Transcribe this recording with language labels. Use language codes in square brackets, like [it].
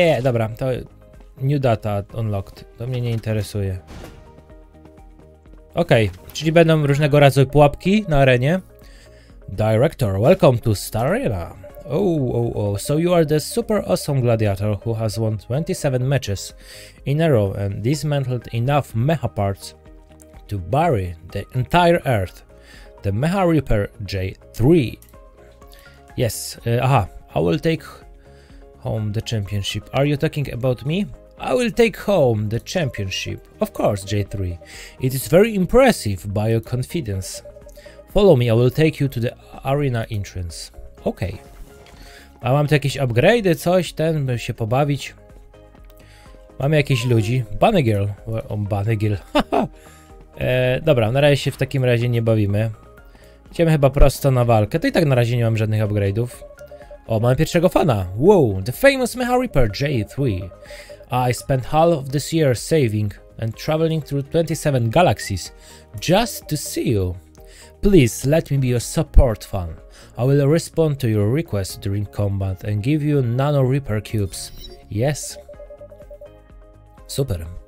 [pl] Dobra, to [en] new data unlocked. [pl] To mnie nie interesuje. Okej, okay, czyli będą różnego rodzaju pułapki na arenie. [en] Director, welcome to Star Arena. So you are the super awesome gladiator who has won 27 matches in a row and dismantled enough mecha parts to bury the entire earth. The Mecha Reaper J3. Yes, I will take home the championship. Are you talking about me? I will take home the championship. Of course, J3. It is very impressive by your confidence. Follow me, I will take you to the arena entrance. Okay. [pl] A mam tu jakieś upgrade'y, coś, ten, by się pobawić. Mamy jakieś ludzi. Bunny Girl. Bunny Girl. dobra, na razie się w takim razie nie bawimy. Idziemy chyba prosto na walkę. To i tak na razie nie mam żadnych upgrade'ów. O, mamy pierwszego fana. [en] Wow, the famous Mecha Reaper J3. I spent half of this year saving and traveling through 27 galaxies just to see you. Please let me be your support fan. I will respond to your request during combat and give you Nano Reaper cubes. Yes. Super.